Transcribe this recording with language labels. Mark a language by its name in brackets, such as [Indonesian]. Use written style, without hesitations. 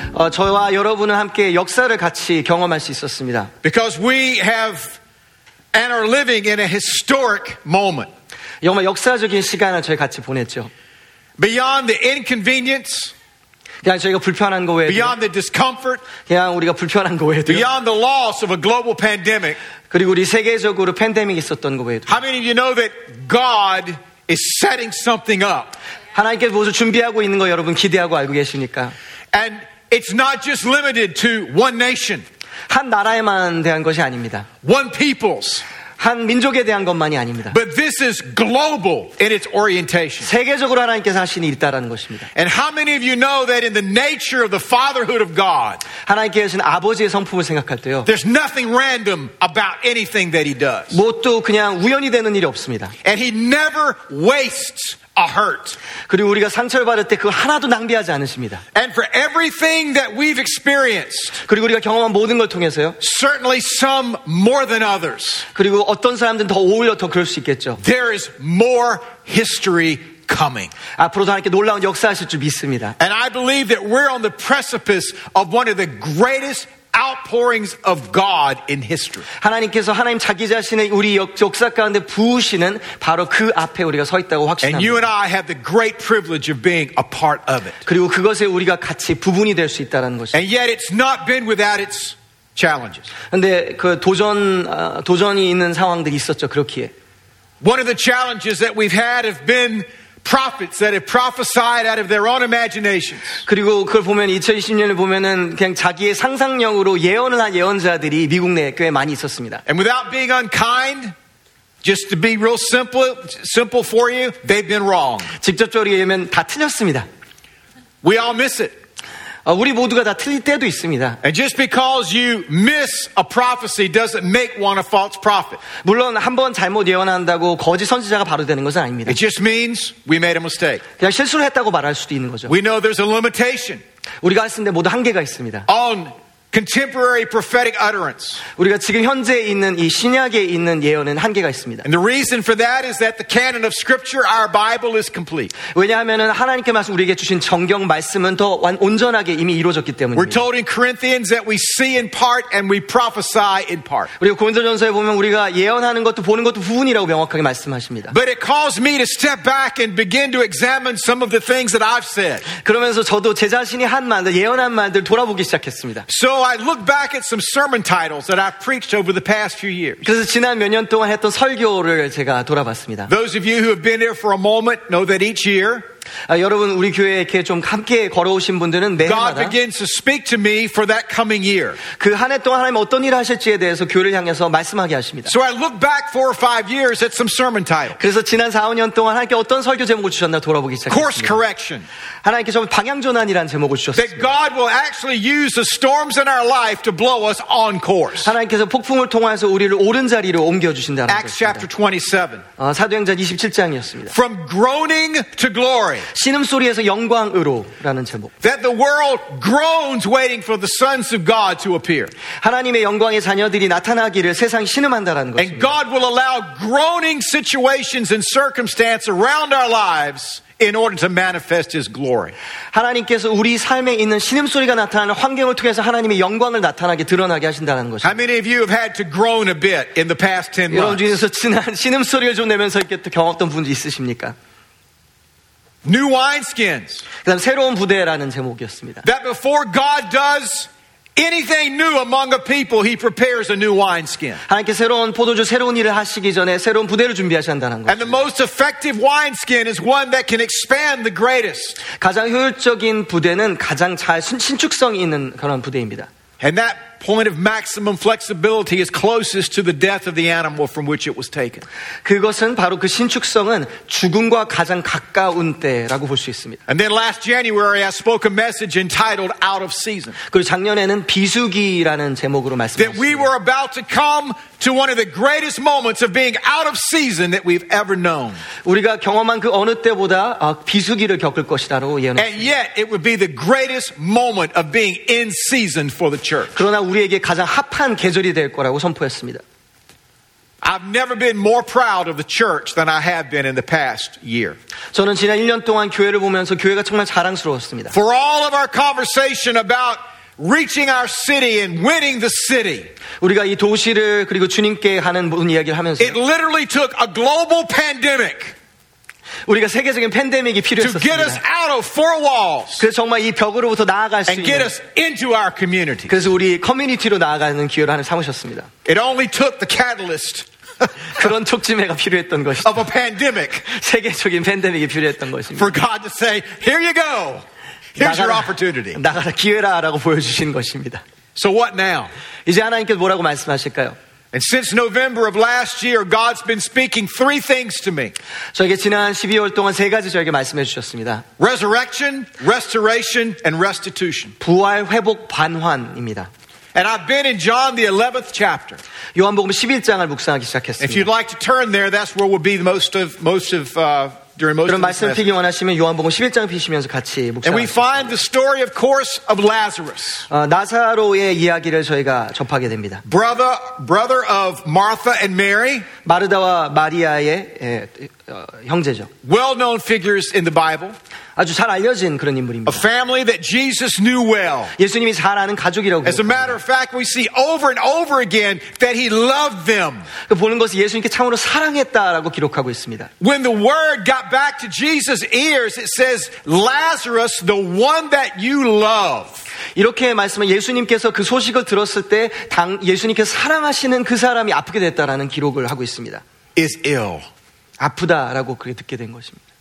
[Korean] 저와 여러분은 함께 역사를 같이 경험할 수 있었습니다. [English] Because we have and are living in a historic moment. [Korean] 정말 역사적인 시간을 저희 같이 보냈죠. [English] Beyond the inconvenience. [Korean] 그냥 저희가 불편한 거 외에. [English] Beyond the discomfort. [Korean] 그냥 우리가 불편한 거 외에. [English] Beyond the loss of a global pandemic. [Korean] 그리고 우리 세계적으로 팬데믹이 있었던 거 외에. [English] How many of you know that God is setting something up? [Korean] 하나님께서 무엇을 준비하고 있는 거 여러분 기대하고 알고 계십니까? [English] And it's not just limited to one nation. [Korean] 한 나라에만 대한 것이 아닙니다. [English] One peoples. [Korean] 한 민족에 대한 것만이 아닙니다. [English] But this is global in its orientation. [Korean] 세계적으로 하나님께서 하신 일이다라는 것입니다. [English] And how many of you know that in the nature of the fatherhood of God? [Korean] 하나님께서는 아버지의 성품을 생각할 때요. [English] There's nothing random about anything that he does. [Korean] 모두 그냥 우연이 되는 일이 없습니다. [English] And he never wastes a hurt. [Korean] 그리고 우리가 상처를 받을 때 그거 하나도 낭비하지 않으십니다. [English] And for everything that we've experienced. [Korean] 그리고 우리가 경험한 모든 걸 통해서요. [English] Certainly some more than others. [Korean] 그리고 어떤 사람들은 더 오히려 더 그럴 수 있겠죠. [English] There is more history coming. [Korean] 앞으로도 하나님께 놀라운 역사하실 줄 믿습니다. [English] And I believe that we're on the precipice of one of the greatest outpourings of God in history. [Korean] 하나님께서 하나님 자기 자신의 우리 역사 가운데 부으시는 바로 그 앞에 우리가 서 있다고 확신합니다. [English] And you and I have the great privilege of being a part of it. [Korean] 그리고 그것에 우리가 같이 부분이 될 수 있다는 것이. [English] And yet it's not been without its challenges. [Korean] 근데 그 도전이 있는 상황들이 있었죠. 그렇기에. [English] One of the challenges that we've had have been prophets that have prophesied out of their own imaginations. [Korean] 그리고 그걸 보면 2020년을 보면은 그냥 자기의 상상력으로 예언을 한 예언자들이 미국 내에 꽤 많이 있었습니다. [English] And without being unkind, just to be real simple for you, they've been wrong. [Korean] 직접적으로 얘기하면 다 틀렸습니다. [English] We all miss it. [Korean] 우리 모두가 다 틀릴 때도 있습니다. [English] And just because you miss a prophecy doesn't make one a false prophet. [Korean] 물론 한 번 잘못 예언한다고 거짓 선지자가 바로 되는 것은 아닙니다. [English] It just means we made a mistake. [Korean] 그냥 실수를 했다고 말할 수도 있는 거죠. [English] We know there's a limitation. [Korean] 우리가 쓰는데 모두 한계가 있습니다. [English] On contemporary prophetic utterance. [Korean] 우리가 지금 현재 있는 이 신약에 있는 예언은 한계가 있습니다. [English] And the reason for that is that the canon of scripture, our Bible, is complete. [Korean] 왜냐하면은 하나님께 말씀 우리에게 주신 성경 말씀은 더 온전하게 이미 이루어졌기 때문입니다. [English] We're told in Corinthians that we see in part and we prophesy in part. [Korean] 우리가 고린도전서에 보면 우리가 예언하는 것도 보는 것도 부분이라고 명확하게 말씀하십니다. [English] But it caused me to step back and begin to examine some of the things that I've said. [Korean] 그러면서 저도 제 자신이 한 말들, 예언한 말들 돌아보기 시작했습니다. [English] So I look back at some sermon titles that I've preached over the past few years. [Korean] 그래서 지난 몇 년 동안 했던 설교를 제가 돌아봤습니다. [English] Those of you who have been here for a moment know that each year, [Korean] 여러분 우리 교회에 이렇게 좀 함께 걸어오신 분들은 매해마다 [English] God begins to speak to me for that coming year. [Korean] 그 한 해 동안 하나님 어떤 일을 하실지에 대해서 교회를 향해서 말씀하게 하십니다. [English] So I look back 4 or 5 years at some sermon titles. [Korean] 그래서 지난 4~5년 동안 하나님께 어떤 설교 제목을 주셨나 돌아보기 시작했습니다. [English] Course correction. [Korean] 하나님께 좀 방향 전환이란 제목을 주셨습니다. [English] That God will actually use the storms in our life to blow us on course. [Korean] 하나님께서 폭풍을 통해서 우리를 옳은 자리로 옮겨 주신다는 것입니다. [English] Acts chapter 27. [Korean] 사도행전 27장이었습니다. [English] From groaning to glory. [Korean] 신음소리에서 영광으로라는 제목. [English] That the world groans waiting for the sons of God to appear. [Korean] 하나님의 영광의 자녀들이 나타나기를 세상이 신음한다라는 것입니다. [English] And God will allow groaning situations and circumstances around our lives in order to manifest his glory. [Korean] 하나님께서 우리 삶에 있는 신음소리가 나타나는 환경을 통해서 하나님의 영광을 나타나게 드러나게 하신다는 것입니다. [English] How many of you have had to groan a bit in the past 10 months? [Korean] 여러분 중에서 지난 신음소리를 좀 내면서 이렇게 또 경험했던 분 있으십니까? [English] New wineskins. [Korean] 그다음 새로운 부대라는 제목이었습니다. [English] That before God does anything new among a people, he prepares a new wineskin. [Korean] 하나님께 새로운 포도주 새로운 일을 하시기 전에 새로운 부대를 준비하신다는 것. [English] And the most effective wineskin is one that can expand the greatest. [Korean] 가장 효율적인 부대는 가장 잘 신축성이 있는 그런 부대입니다. [English] And that point of maximum flexibility is closest to the death of the animal from which it was taken. [Korean] 그것은 바로 그 신축성은 죽음과 가장 가까운 때라고 볼 수 있습니다. [English] And then last January I spoke a message entitled Out of Season. [Korean] 그리고 작년에는 비수기라는 제목으로 말씀했습니다. [English] That we were about to come to one of the greatest moments of being out of season that we've ever known. [Korean] 우리가 경험한 그 어느 때보다 비수기를 겪을 것이다라고 예언했습니다. [English] And yet it would be the greatest moment of being in season for the church. [Korean] 그러나 우리에게 가장 합한 계절이 될 거라고 선포했습니다. [English] I've never been more proud of the church than I have been in the past year. [Korean] 저는 지난 1년 동안 교회를 보면서 교회가 정말 자랑스러웠습니다. [English] For all of our conversation about reaching our city and winning the city. [Korean] 우리가 이 도시를 그리고 주님께 하는 모든 이야기를 하면서 [English] It literally took a global pandemic. [Korean] 우리가 세계적인 팬데믹이 필요했었습니다. [English] To get us out of four walls. [Korean] 그래서 정말 이 벽으로부터 나아갈 수 있는 [English] And get us into our community. [Korean] 그래서 우리 커뮤니티로 나아가는 기회를 하나 삼으셨습니다. [English] It only took the catalyst. [Korean] 그런 촉진제가 필요했던 것이죠. [English] Of a pandemic. [Korean] 세계적인 팬데믹이 필요했던 것입니다. [English] For God to say, here you go. Here's your opportunity. [Korean] 나가라 기회라라고 보여주신 것입니다. [English] So what now? [Korean] 이제 하나님께서 뭐라고 말씀하실까요? [English] And since November of last year, God's been speaking three things to me. [Korean] 저에게 지난 12월 동안 세 가지 저에게 말씀해 주셨습니다. [English] Resurrection, restoration, and restitution. [Korean] 부활, 회복, 반환입니다. [English] And I've been in John the 11th chapter. [Korean] 요한복음 11장을 묵상하기 시작했습니다. [English] If you'd like to turn there, that's where we'll be during most of the message. [Korean] 그럼 말씀 피기 원하시면 요한복음 11장 피시면서 같이 묵상하겠습니다. [English] And we find the story, of course, of Lazarus. [Korean] 나사로의 이야기를 저희가 접하게 됩니다. [English] Brother of Martha and Mary. [Korean] 마르다와 마리아의 형제죠. [English] Well-known figures in the Bible. [Korean] 아주 잘 알려진 그런 인물입니다. [English] A family that Jesus knew well. [Korean] 예수님이 잘 아는 가족이라고. [English] As a matter of fact, we see over and over again that he loved them. [Korean] 그 보는 것이 예수님께 참으로 사랑했다라고 기록하고 있습니다. [English] When the word got back to Jesus' ears, it says, "Lazarus, the one that you love." [Korean] 이렇게 말씀한 예수님께서 그 소식을 들었을 때, 당 예수님께서 사랑하시는 그 사람이 아프게 됐다라는 기록을 하고 있습니다. [English] Is ill. [Korean] 아프다라고 그렇게 듣게 된 것입니다.